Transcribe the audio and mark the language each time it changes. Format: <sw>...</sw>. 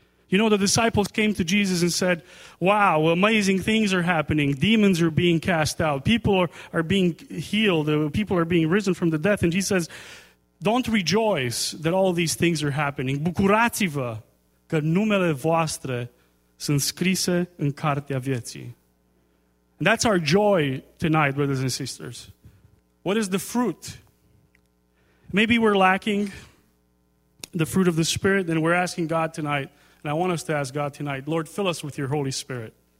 <en>You know, the disciples came to Jesus and said, wow, amazing things are happening. Demons are being cast out. People are being healed. People are being risen from the dead. And Jesus says, don't rejoice that all these things are happening.</en> <ro>Bucurați-vă că numele voastre sunt scrise în cartea vieții.</ro> <en>And that's our joy tonight, brothers and sisters. What is the fruit? Maybe we're lacking the fruit of the Spirit, then we're asking God tonight. And I want us to ask God tonight, Lord, fill us with your Holy Spirit.</en>